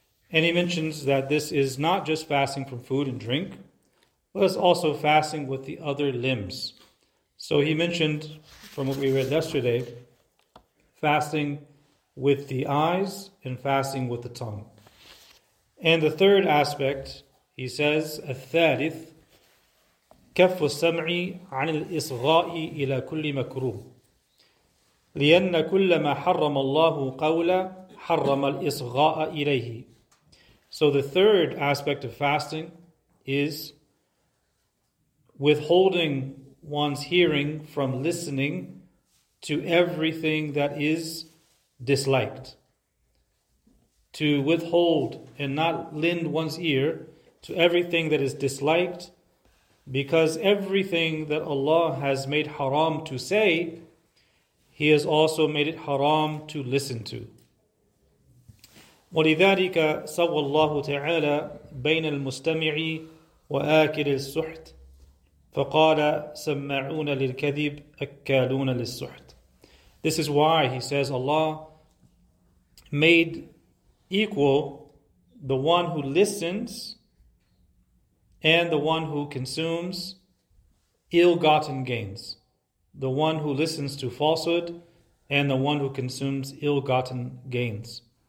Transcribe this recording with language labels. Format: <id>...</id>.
<en>And he mentions that this is not just fasting from food and drink, but it's also fasting with the other limbs. So he mentioned, from what we read yesterday, fasting with the eyes and fasting with the tongue. And the third aspect, he says,</en> <ar>الثالث, كف السمع عن الإصغاء إلى كل مكروه لأن كل ما حرم الله قولا حرم الإصغاء إليه.</ar> <en>So the third aspect of fasting is withholding one's hearing from listening to everything that is disliked. To withhold and not lend one's ear to everything that is disliked, because everything that Allah has made haram to say, He has also made it haram to listen to.</en> <ar>ولذلك سوى الله تعالى بين المستمع وآكل السحت فقال سماعون للكذب أكالون للسحت.</ar> <en>This is why, he says, Allah made equal the one who listens and the one who consumes ill-gotten gains. The one who listens to falsehood and the one who consumes ill-gotten gains.</en>